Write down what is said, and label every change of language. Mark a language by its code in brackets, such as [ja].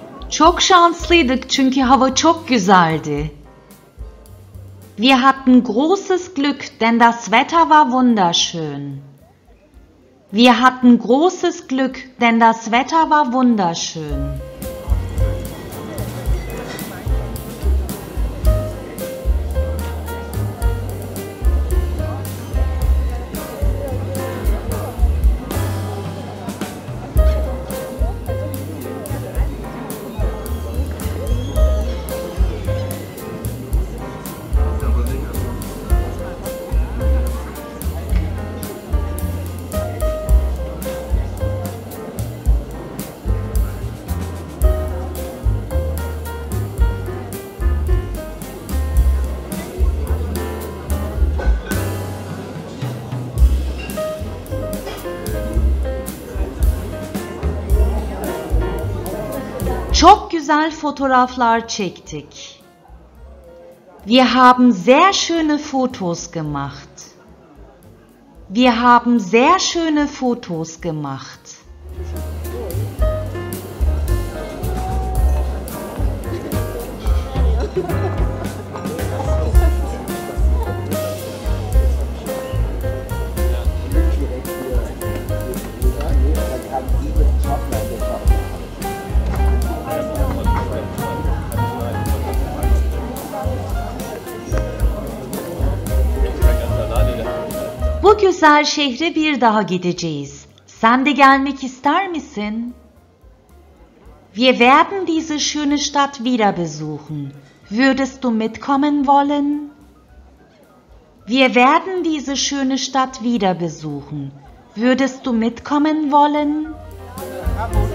[tr] Çok şanslıydık çünkü hava çok güzeldi. [de] Wir hatten großes Glück, denn das Wetter war wunderschön. Wir hatten großes Glück, denn das Wetter war wunderschön. [tr] Güzel fotoğraflar çektik. [de] Wir haben sehr schöne Fotos gemacht. Wir haben sehr schöne Fotos gemacht. [tr] Bu güzel şehre bir daha gideceğiz. Sen de gelmek ister misin? [de] Wir werden diese schöne Stadt wieder besuchen. Würdest du mitkommen wollen? Wir werden diese schöne Stadt wieder besuchen. Würdest du mitkommen wollen? Ja.